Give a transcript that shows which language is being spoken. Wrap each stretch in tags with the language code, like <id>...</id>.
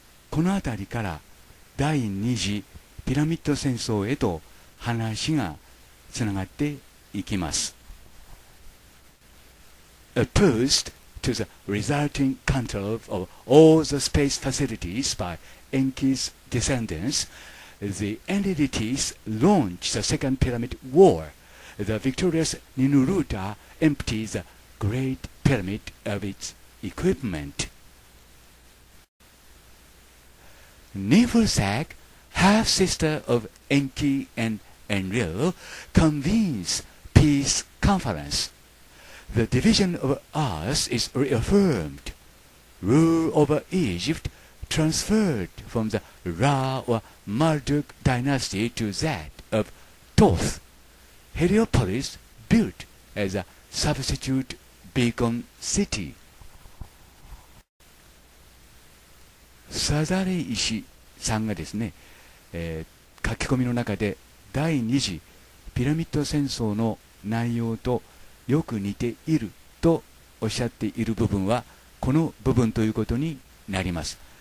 <ja>この辺りから第二次ピラミッド戦争へと話がつながっていきます。</ja> <en>Opposed to the resulting control of all the space facilities by Enki's descendants, the entities launched the Second Pyramid War. The victorious Ninurta empties the great pyramid of its equipment. Nifusak, half-sister of Enki and Enryu, convenes peace conference. The division of Earth is reaffirmed. Rule over Egypt transferred from the Ra or Marduk dynasty to that of Thoth. Heliopolis built as a substitute beacon city.</en> <ja>サザレ石さんがですね、書き込みの中で第2次ピラミッド戦争の内容とよく似ているとおっしゃっている部分はこの部分ということになります。</ja>